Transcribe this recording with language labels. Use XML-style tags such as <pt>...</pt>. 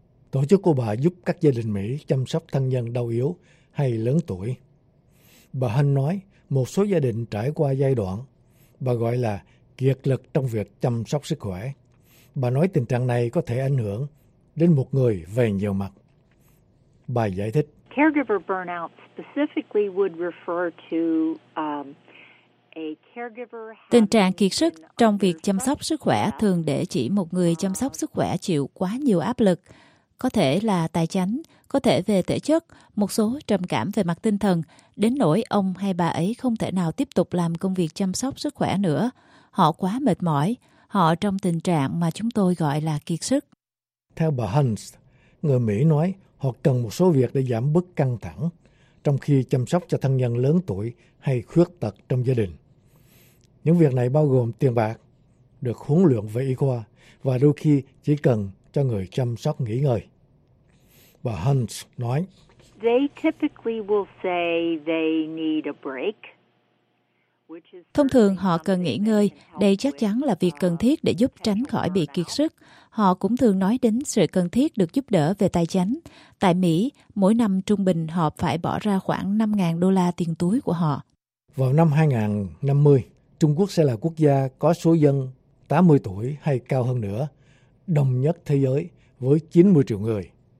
<vi>Tổ chức của bà giúp các gia đình Mỹ chăm sóc thân nhân đau yếu hay lớn tuổi. Bà Hunt nói một số gia đình trải qua giai đoạn bà gọi là kiệt lực trong việc chăm sóc sức khỏe. Bà nói tình trạng này có thể ảnh hưởng đến một người về nhiều mặt. Bà giải thích.</vi> <en>Caregiver burnout specifically would refer to a caregiver.</en> <vi>Tình trạng kiệt sức trong việc chăm sóc sức khỏe thường để chỉ một người chăm sóc sức khỏe chịu quá nhiều áp lực. Có thể là tài chính, có thể về thể chất, một số trầm cảm về mặt tinh thần, đến nỗi ông hay bà ấy không thể nào tiếp tục làm công việc chăm sóc sức khỏe nữa. Họ quá mệt mỏi, họ trong tình trạng mà chúng tôi gọi là kiệt sức. Theo bà Hunt, người Mỹ nói họ cần một số việc để giảm bớt căng thẳng, trong khi chăm sóc cho thân nhân lớn tuổi hay khuyết tật trong gia đình. Những việc này bao gồm tiền bạc, được huấn luyện về y khoa và đôi khi chỉ cần cho người chăm sóc nghỉ ngơi. Bà Hunt nói,</vi> <en>they typically will say they need a break.</en> <vi>Thông thường họ cần nghỉ ngơi, đây chắc chắn là việc cần thiết để giúp tránh khỏi bị kiệt sức. Họ cũng thường nói đến sự cần thiết được giúp đỡ về tài chính. Tại Mỹ, mỗi năm trung bình họ phải bỏ ra khoảng 5.000 đô la tiền túi của họ. Vào năm 2050, Trung Quốc sẽ là quốc gia có số dân 80 tuổi hay cao hơn nữa, đông nhất thế giới với 90 triệu người.</vi>